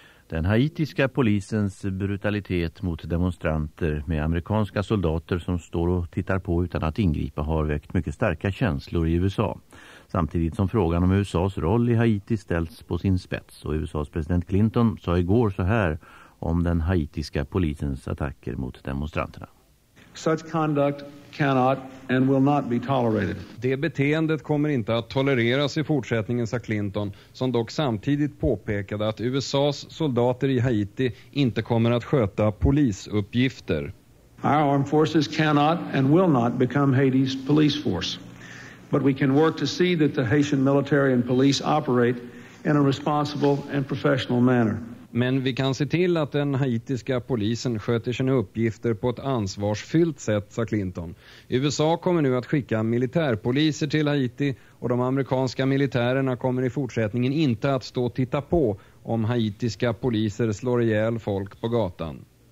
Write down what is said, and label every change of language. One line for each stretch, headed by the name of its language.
Swedish: Den haitiska polisens brutalitet mot demonstranter med amerikanska soldater som står och tittar på utan att ingripa har väckt mycket starka känslor i USA. Samtidigt som frågan om USAs roll i Haiti ställts på sin spets och USAs president Clinton sa igår så här om den haitiska polisens attacker mot demonstranterna.
English: Such conduct cannot and will not be tolerated.
Swedish: Det beteendet kommer inte att tolereras i fortsättningen, sa Clinton, som dock samtidigt påpekade att USA:s soldater i Haiti inte kommer att sköta polisuppgifter.
English: Our armed forces cannot and will not become Haiti's police force. But we can work to see that the Haitian military and police operate in a responsible and professional manner.
Swedish: Men vi kan se till att den haitiska polisen sköter sina uppgifter på ett ansvarsfyllt sätt, sa Clinton. USA kommer nu att skicka militärpoliser till Haiti och de amerikanska militärerna kommer i fortsättningen inte att stå och titta på om haitiska poliser slår ihjäl folk på gatan.